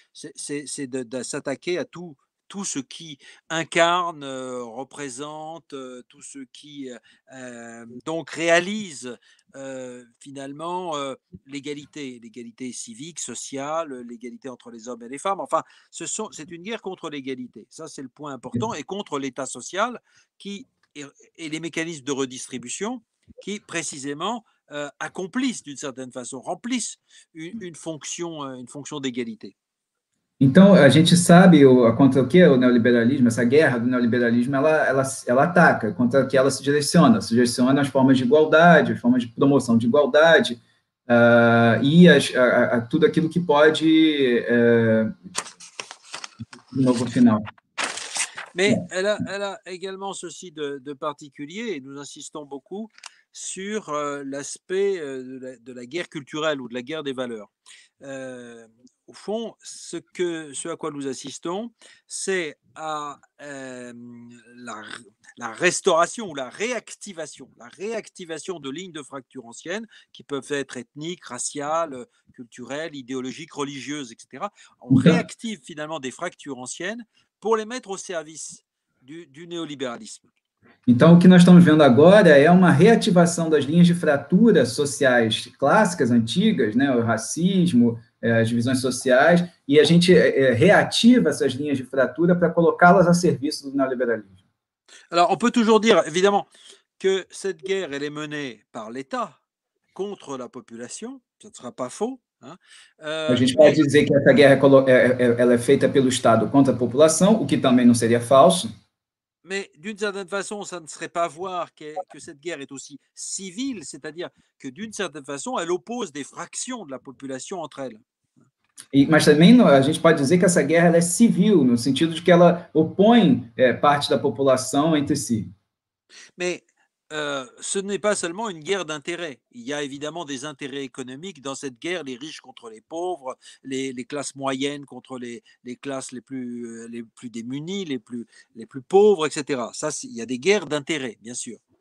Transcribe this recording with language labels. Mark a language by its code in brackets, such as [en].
[fr] C'est de s'attaquer à tout ce qui incarne, représente, tout ce qui donc réalise finalement l'égalité civique, sociale, l'égalité entre les hommes et les femmes. Enfin, c'est une guerre contre l'égalité. Ça, c'est le point important, et contre l'État social qui et les mécanismes de redistribution qui précisément accomplissent d'une certaine façon, remplissent une fonction d'égalité. [pt] Então, a gente sabe contra o que o neoliberalismo, essa guerra do neoliberalismo, ela ataca, contra o que ela se direciona. Se direciona às formas de igualdade, às formas de promoção de igualdade e tudo aquilo que pode... de novo, final. Mas ela [fr] également ceci de particulier, [pt] e nós [fr] insistons beaucoup sur l'aspect de la guerre culturelle ou de la guerre des valeurs. Au fond, ce à quoi nous assistons, c'est à la restauration ou la réactivation de lignes de fracture anciennes qui peuvent être ethniques, raciales, culturelles, idéologiques, religieuses, etc. On réactive finalement des fractures anciennes pour les mettre au service du néolibéralisme. [pt] Então, o que nós estamos vendo agora é uma reativação das linhas de fratura sociais clássicas, antigas, né? O racismo, as divisões sociais, e a gente reativa essas linhas de fratura para colocá-las a serviço do neoliberalismo. [fr] Alors, on peut toujours dire, évidemment, que cette guerre elle est menée par l'État contre la population, ça ne sera pas faux. [pt] A gente pode dizer que essa guerra ela é feita pelo Estado contra a população, o que também não seria falso. [fr] Mais d'une certaine façon, ça ne serait pas voir que cette guerre est aussi civile, c'est-à-dire que d'une certaine façon, elle oppose des fractions de la population entre elles. [pt] Mais também, a gente pode dizer que essa guerra ela é civil, no sentido de que ela opõe parte da população entre si. [fr] Mais ce n'est pas seulement une guerre d'intérêts. Il y a évidemment des intérêts économiques dans cette guerre, les riches contre les pauvres, les classes moyennes contre les classes les plus démunies, les plus pauvres, etc. Ça, il y a des guerres d'intérêts, bien sûr.